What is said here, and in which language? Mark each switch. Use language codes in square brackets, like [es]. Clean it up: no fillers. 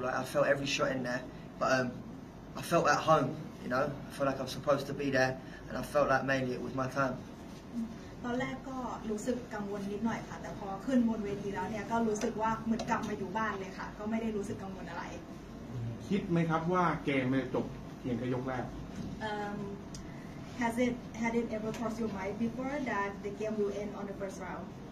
[en] Like, I felt every shot in there, but I felt at home, you know? I felt like I was supposed to be there, and I felt like mainly it was my time. [th] ตอนแรกก็รู้สึกกังวลนิดหน่อยค่ะแต่พอขึ้นบนเวทีแล้วเนี่ยก็รู้สึกว่าเหมือนกลับมาอยู่บ้านเลยค่ะก็ไม่ได้รู้สึกกังวลอะไร คิดไหมครับว่าเกมจะจบเพียงแค่ยกแรก [en] Has it ever crossed your mind before that the game will end on the first round?